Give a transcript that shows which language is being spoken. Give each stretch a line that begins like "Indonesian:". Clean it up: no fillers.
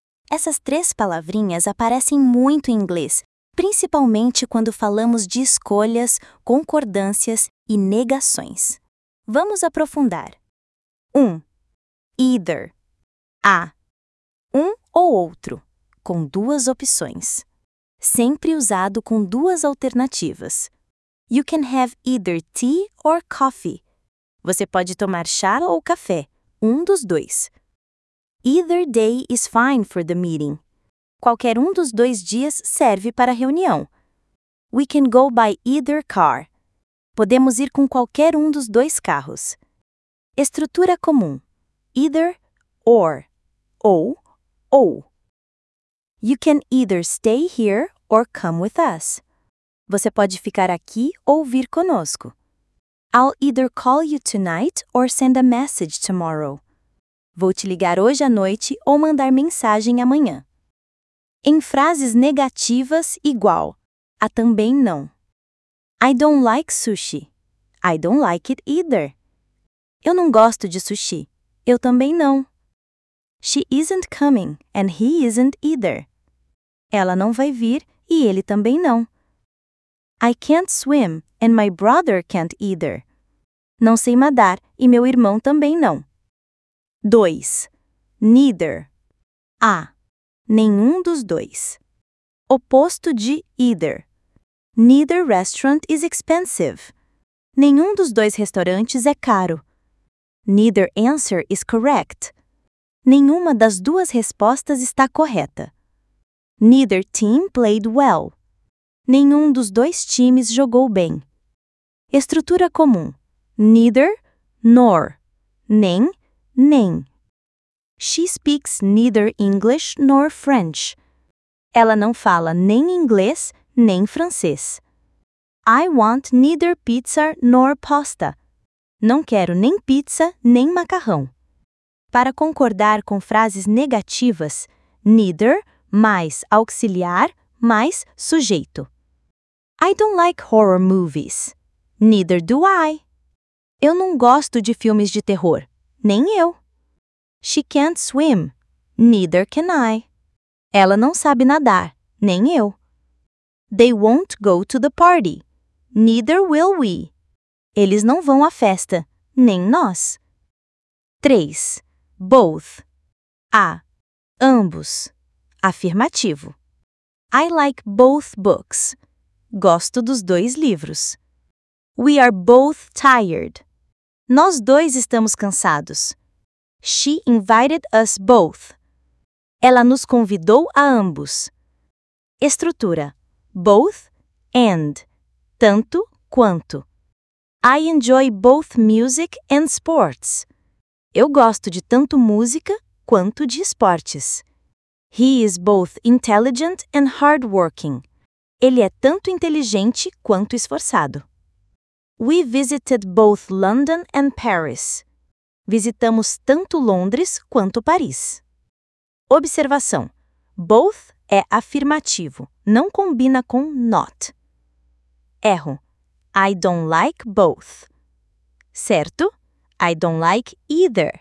Portuguese: Essas três palavrinhas aparecem muito em inglês, principalmente quando falamos de escolhas, concordâncias e negações. Vamos aprofundar. 1. Either. A. Um ou outro, com duas opções. Sempre usado com duas alternativas.
English: You can have either tea or coffee.
Portuguese: Você pode tomar chá ou café, um dos dois.
English: Either day is fine for the meeting.
Portuguese: Qualquer um dos dois dias serve para a reunião.
English: We can go by either car.
Portuguese: Podemos ir com qualquer um dos dois carros. Estrutura comum. Either, or. Ou.
English: You can either stay here or come with us.
Portuguese: Você pode ficar aqui ou vir conosco.
English: I'll either call you tonight or send a message tomorrow.
Portuguese: Vou te ligar hoje à noite ou mandar mensagem amanhã. Em frases negativas, igual. Há também não.
English: I don't like sushi. I don't like it either.
Portuguese: Eu não gosto de sushi. Eu também não.
English: She isn't coming and he isn't either.
Portuguese: Ela não vai vir e ele também não.
English: I can't swim and my brother can't either.
Portuguese: Não sei nadar e meu irmão também não. 2. Neither. A. Nenhum dos dois. Oposto de either.
English: Neither restaurant is expensive.
Portuguese: Nenhum dos dois restaurantes é caro.
English: Neither answer is correct.
Portuguese: Nenhuma das duas respostas está correta.
English: Neither team played well.
Portuguese: Nenhum dos dois times jogou bem. Estrutura comum. Neither, nor. Nem, nem.
English: She speaks neither English nor French.
Portuguese: Ela não fala nem inglês nem francês.
English: I want neither pizza nor pasta.
Portuguese: Não quero nem pizza nem macarrão. Para concordar com frases negativas, neither mais auxiliar mais sujeito.
English: I don't like horror movies. Neither do I.
Portuguese: Eu não gosto de filmes de terror. Nem eu.
English: She can't swim. Neither can I.
Portuguese: Ela não sabe nadar. Nem eu.
English: They won't go to the party. Neither will we.
Portuguese: Eles não vão à festa. Nem nós. 3. Both. A. Ambos. Afirmativo.
English: I like both books.
Portuguese: Gosto dos dois livros.
English: We are both tired.
Portuguese: Nós dois estamos cansados.
English: She invited us both.
Portuguese: Ela nos convidou a ambos. Estrutura. Both and. Tanto quanto.
English: I enjoy both music and sports.
Portuguese: Eu gosto de tanto música quanto de esportes.
English: He is both intelligent and hardworking.
Portuguese: Ele é tanto inteligente quanto esforçado.
English: We visited both London and Paris.
Portuguese: Visitamos tanto Londres quanto Paris. Observação. Both é afirmativo. Não combina com not. Erro.
English: I don't like both. Certo? I don't like either.